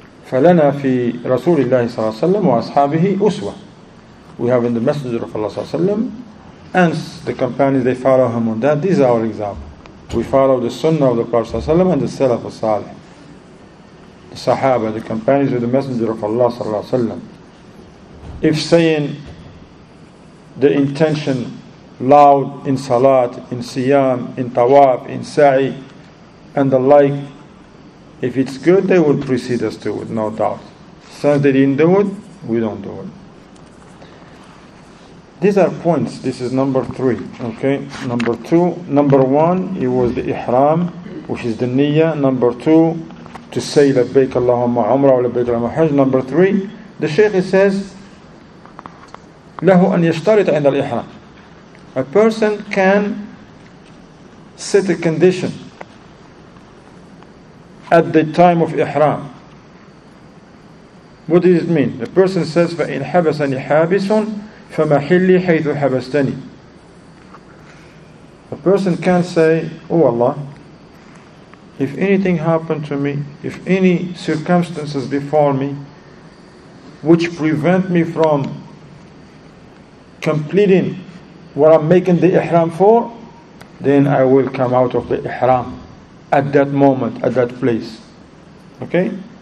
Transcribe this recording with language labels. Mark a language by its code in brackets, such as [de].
[ar] فلنا في رسول الله صلى الله عليه وسلم وأصحابه أسوة. [en] We have in the Messenger of Allah صلى الله عليه وسلم and the companions they follow him on that. These are our examples. We follow the Sunnah of the Prophet صلى الله عليه وسلم and the Salaf al-Salih. The Sahaba, the companions of the Messenger of Allah صلى الله عليه وسلم. If saying the intention loud in Salat, in Siyam, in Tawaf, in Sa'i, and the like, if it's good, they will precede us to it, no doubt. Since they didn't do it, we don't do it. These are points. This is number three. Okay, number two. Number one, it was the ihram, which is the niyyah. Number two, to say [ar] labbaik Allahumma umrah wa labbaik Allahumma hajj. [en] Number three, the Shaykh says, [ar] lahu an yashtarit inda al-ihram. [en] A person can set a condition at the time of ihram. What does it mean? The person says, [ar] فَإِنْ حَبَسَنِي حَابِسٌ فَمَحِلِّي حَيْثُ حَبَسْتَنِي. [en] A person can say, oh Allah, if anything happened to me, if any circumstances befall me which prevent me from completing what I'm making the ihram for, then I will come out of the ihram at that moment, at that place. Okay?